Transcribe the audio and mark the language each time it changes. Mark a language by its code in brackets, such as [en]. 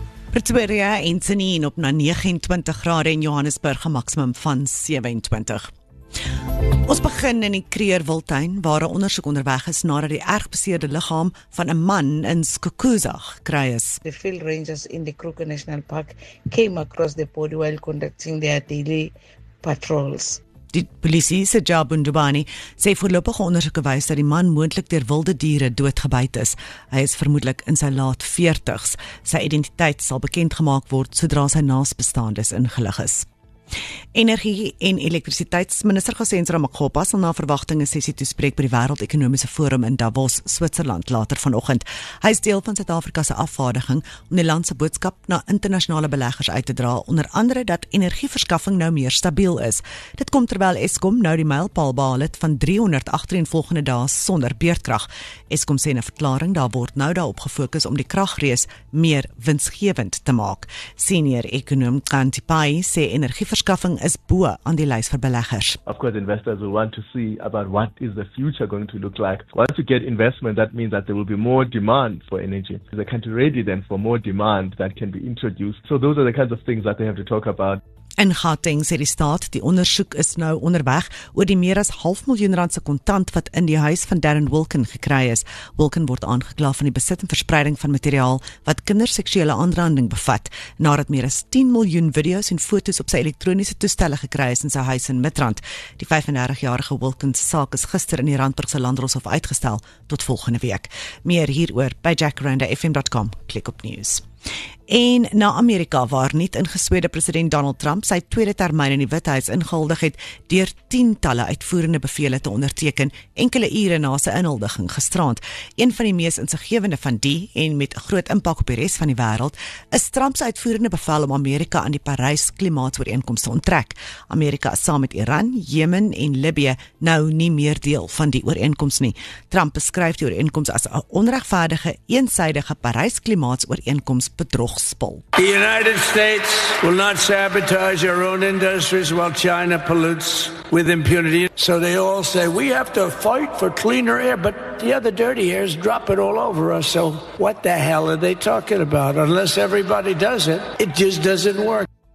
[af] Pretoria en Tzaneen op na 29 grade en Johannesburg een maximum van 27. Ons begin in die Kruger Wildtuin waar 'n ondersoek onderweg is nadat die erg beseerde liggaam van 'n man in Skukuza gekry is. [en] The field rangers in the Kruger National Park came across the body while conducting their daily patrols. [af] Die polisie, Sajja Bundubani, sê voorlopige ondersoeke wys dat die man moontlik deur wilde diere doodgebyt is. Hy is vermoedelik in sy laat 40s. Sy identiteit sal bekend gemaak word sodra sy naasbestaandes ingelig is. Energie en elektrisiteitsminister Gesentra Makgopa sal na verwagting 'n sessie toespreek by die Wêreldekonomiese Forum in Davos, Switserland later vanoggend. Hy is deel van Suid-Afrika se afvaardiging om die land se boodskap na internasionale beleggers uit te dra, onder andere dat energieverskaffing nou meer stabiel is. Dit kom terwyl Eskom nou die mylpaal behaal het van 300 agtereenvolgende dae sonder beurtkrag. Eskom sê in 'n verklaring daar word nou daarop gefokus om die kragrees meer winsgewend te maak. Senior ekonom Kanti Pai sê energie verskaffing is bo aan die lys vir beleggers. [en] Of course investors will want to see about what is the future going to look like. Once you get investment, that means that there will be more demand for energy. They can't be ready then for more demand that can be introduced. So those are the kinds of things that they have to talk about. [af] In Gauteng sê die staat, die ondersoek is nou onderweg oor die meer as half miljoen rand se kontant wat in die huis van Darren Wilken gekry is. Wilken word aangekla van die besit en verspreiding van materiaal wat kinderseksuele aanranding bevat, nadat meer as 10 miljoen video's en foto's op sy elektroniese toestelle gekry is in sy huis in Midrand. Die 35-jarige Wilken se saak is gister in die Randburgse Landdroshof uitgestel tot volgende week. Meer hieroor by jackaranda.fm.com. Klik op news. En na Amerika waar niet ingeswede president Donald Trump sy tweede termyn in die Withuis ingehuldig het deur tientalle uitvoerende bevele te onderteken enkele ure na sy inhuldiging gisteraand. Een van die mees insiggewende van die en met groot impak op die res van die wêreld is Trump se uitvoerende bevel om Amerika aan die Parys klimaatsooreenkoms te onttrek. Amerika is saam met Iran, Jemen en Libië nou nie meer deel van die ooreenkoms nie. Trump beskryf die ooreenkoms as 'n onregverdige, eensydige Parys klimaatsooreenkoms bedrog. [en] The United States will not sabotage our own industries while China pollutes with impunity. So they all say, we have to fight for cleaner air, but the other dirty air is dropping all over us. So what the hell are they talking about? Unless everybody does it, it just doesn't work.